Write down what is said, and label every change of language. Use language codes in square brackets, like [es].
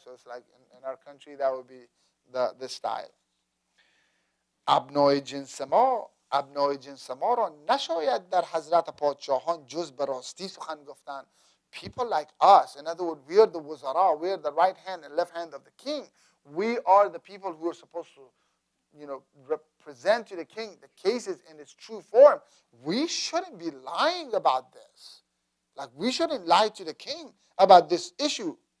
[en] So it's like in our country, that would be the style. Abnoy jinsamo [fa] ابنای جنس ما را نشاید در حضرت پادشاهان جز به راستی سخن گفتن. [en] People like us, in other words, we are the wuzara, we are the right hand and left hand of the king. We are the people who are supposed to, you know, represent to the king the cases in its true form. We shouldn't be lying about this. Like, we shouldn't lie to the king about this issue.